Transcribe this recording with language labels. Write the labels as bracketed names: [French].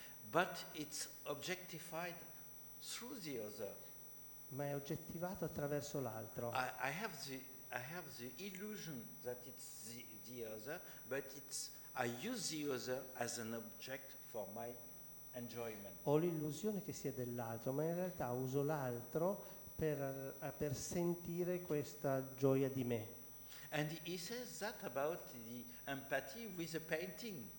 [English] But it's objectified through the other. [Italian] Ma è oggettivato attraverso l'altro. [English] I have the illusion that it's the other, but it's I use the other as an object for my enjoyment. [Italian] Ho l'illusione che sia dell'altro, ma in realtà uso l'altro per sentire questa gioia di me. [English] And he says that about the empathy with a painting.